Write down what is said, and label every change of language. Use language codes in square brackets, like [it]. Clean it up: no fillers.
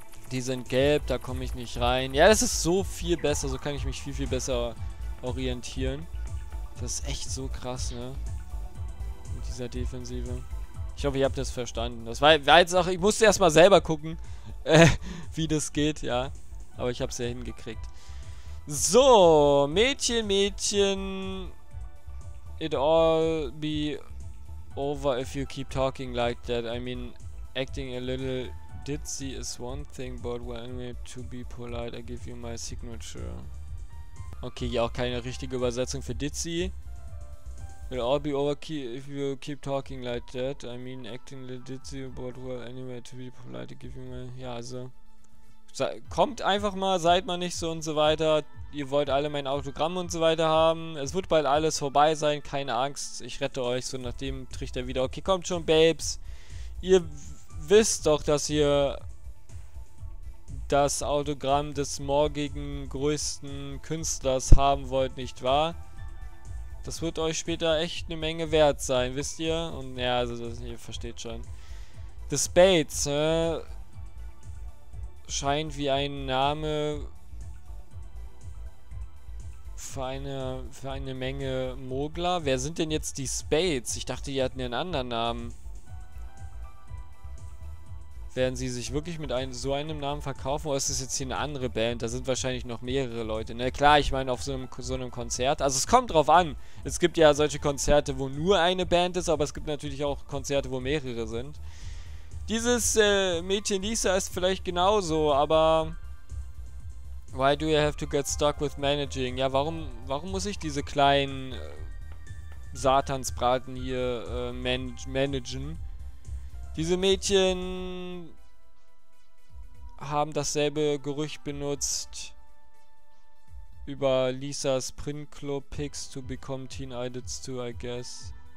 [de] Die sind gelb, da komme ich nicht rein. Ja, das ist so viel besser, so kann ich mich viel, viel besser orientieren. Das ist echt so krass, ne? Mit dieser Defensive. Ich hoffe, ihr habt das verstanden. Das war jetzt auch, ich musste erstmal selber gucken, wie das geht, ja. Aber ich habe es ja hingekriegt. So, Mädchen, [en] it all be over if you keep talking like that. I mean, acting a little ditzy is one thing, but when we to be polite, I give you my signature. [de] Okay, hier auch keine richtige Übersetzung für ditzy. [en] It'll all be over if you keep talking like that. I mean, acting a little ditzy, but well, anyway, to be polite, give you my... [de] Ja, also... Kommt einfach mal, seid mal nicht so und so weiter. Ihr wollt alle mein Autogramm und so weiter haben. Es wird bald alles vorbei sein, keine Angst. Ich rette euch, so nach dem Trichter wieder. Okay, kommt schon, Babes. Ihr wisst doch, dass ihr... das Autogramm des morgigen größten Künstlers haben wollt, nicht wahr? Das wird euch später echt eine Menge wert sein, wisst ihr? Und ja, also das, ihr versteht schon. The Spades, scheint wie ein Name für eine Menge Mogler. Wer sind denn jetzt die Spades? Ich dachte, die hatten einen anderen Namen. Werden sie sich wirklich mit so einem Namen verkaufen? Oder ist das jetzt hier eine andere Band? Da sind wahrscheinlich noch mehrere Leute. Na klar, ich meine auf so einem Konzert. Also es kommt drauf an. Es gibt ja solche Konzerte, wo nur eine Band ist. Aber es gibt natürlich auch Konzerte, wo mehrere sind. Dieses Mädchen Lisa ist vielleicht genauso. Aber [en] why do you have to get stuck with managing? [de] Ja, warum muss ich diese kleinen Satansbraten hier managen? Diese Mädchen haben dasselbe Gerücht benutzt über Lisas Printclub-Picks [en] to become teen idols too, I guess.